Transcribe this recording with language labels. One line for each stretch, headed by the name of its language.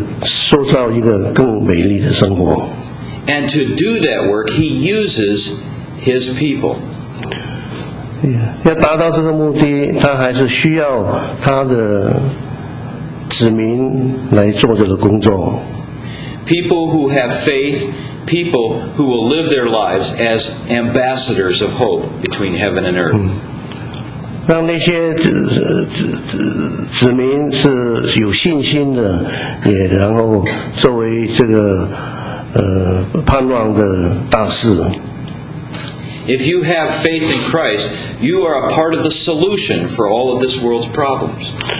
Chinese: 神在很多的破碎的生命当中再重新找回又塑造一个更美丽的生活。
English: And to do that work, he uses his people.
Chinese: 要达到这个目的,他还是需要他的
English: People who have faith, people who will live their lives as ambassadors of hope between heaven and earth.
Chinese: 让那些子民是有信心的, 也然后作为这个盼望的大事。
English: If you have faith in Christ, you are a part of the solution for all of this world's problems.